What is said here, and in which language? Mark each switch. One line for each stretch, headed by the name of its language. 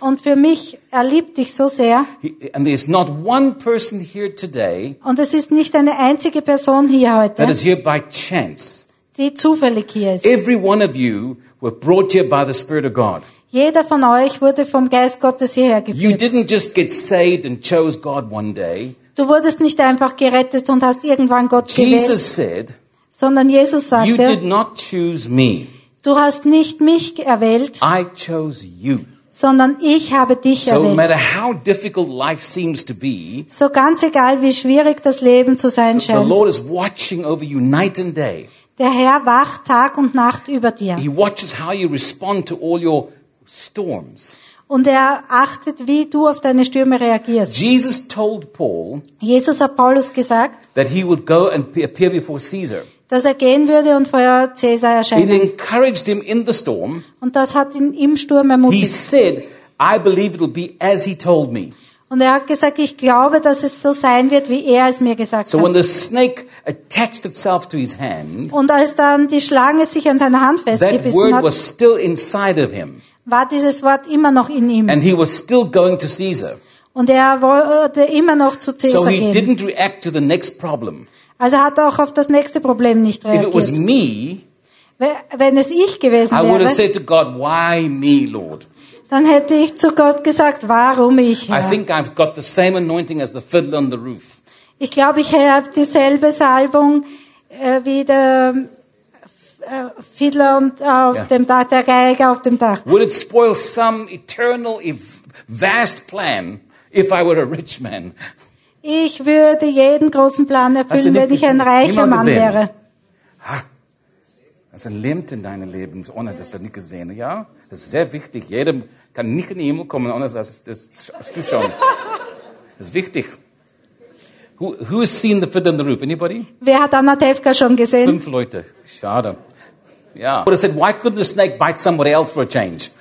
German: Und für mich, er liebt dich so sehr.
English: And there is not one person here today.
German: Und es ist nicht eine einzige Person hier heute.
English: That is here by chance.
German: Die zufällig hier ist.
English: Every one of you were brought here by the Spirit of God.
German: Jeder von euch wurde vom Geist Gottes hierher geführt.
English: You didn't just get saved and chose God one day.
German: Du wurdest nicht einfach gerettet und hast irgendwann Gott gewählt.
English: Jesus said,
German: sondern Jesus sagte,
English: you did not choose me.
German: Du hast nicht mich erwählt,
English: I chose you.
German: Sondern ich habe dich
English: so
German: erwählt.
English: No matter how difficult life seems to be,
German: so ganz egal, wie schwierig das Leben zu sein scheint,
English: the Lord is watching over you night and day.
German: Der Herr wacht Tag und Nacht über dir.
English: He watches how you respond to all your storms.
German: Und er achtet, wie du auf deine Stürme reagierst.
English: Jesus told Paul,
German: Jesus hat Paulus gesagt,
English: that he would go and appear before Caesar.
German: Dass er gehen würde und vor Caesar erscheinen.
English: It encouraged him in the storm.
German: Und das hat ihn im Sturm ermutigt.
English: He said, I believe it'll be as he told me.
German: Und er hat gesagt, ich glaube, dass es so sein wird, wie er es mir gesagt
English: so When the snake attached itself to his hand,
German: und als dann die Schlange sich an seiner Hand festgebissen
English: that word
German: hat,
English: was still inside of him.
German: War dieses Wort immer noch in ihm.
English: And he was still going to Caesar.
German: Und er wollte immer noch zu Caesar
English: so he
German: gehen.
English: Didn't react to the next problem.
German: Also hat er auch auf das nächste Problem nicht reagiert.
English: If it was me,
German: wenn es ich gewesen wäre,
English: I would have said to God, why me, Lord?
German: Dann hätte ich zu Gott gesagt, warum ich, Herr?
English: I think I've got the same anointing as the fiddler on the roof.
German: Ich glaube, ich habe dieselbe Salbung wie der Fiddler und auf
English: yeah.
German: dem Dach, der Geiger auf dem Dach.
English: Would it spoil some eternal vast plan if I were a rich man?
German: Ich würde jeden großen Plan erfüllen, wenn ich ein reicher Mann wäre. Das ist ein Limit in deinem Leben, ohne dass du nicht gesehen. Ja, das ist sehr wichtig. Jeder kann nicht in den Himmel kommen, ohne dass das du schon. Das ist wichtig.
English: Who has seen the fiddler on the roof? Anybody?
German: Wer hat Anna Tefka schon gesehen? 5 Leute. Schade. Ja.
English: Yeah. But I said, why couldn't the snake bite somebody else for a change?